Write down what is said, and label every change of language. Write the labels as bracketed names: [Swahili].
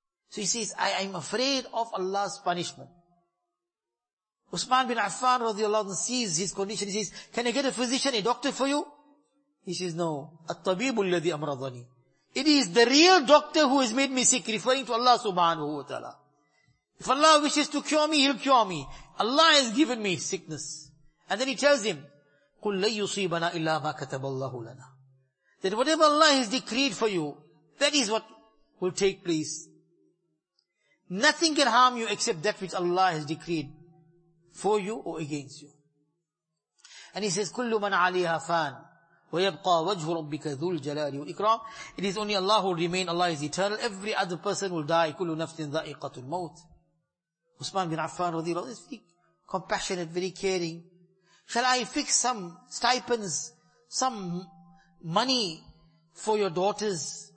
[English] So he says, I am afraid of Allah's punishment. Usman bin Affan radiallahu anhu sees his condition. He says, can I get a physician, a doctor for you? He says, no. [Arabic] At-tabibu alladhi amradani. [English] It is the real doctor who has made me sick, referring to Allah subhanahu wa ta'ala. If Allah wishes to cure me, He'll cure me. Allah has given me sickness. And then He tells him, [Arabic] قُلْ لَنْ يُصِيبَنَا إِلَّا مَا كَتَبَ اللَّهُ لَنَا. [English] That whatever Allah has decreed for you, that is what will take place. Nothing can harm you except that which Allah has decreed for you or against you. And He says, [Arabic] كُلُّ مَنْ عَلِيهَا فَانْ وَيَبْقَى وَجْهُ رَبِّكَ ذُو الْجَلَالِ وَإِكْرَامِ. [English] It is only Allah who will remain. Allah is eternal. Every other person will die. [Arabic] كُلُّ نَفْسٍ ذَائِقَةُ الْمَوْتِ. [English] Usman bin Affan radiallahu anhu is very compassionate, very caring. Shall I fix some stipends, some money for your daughters?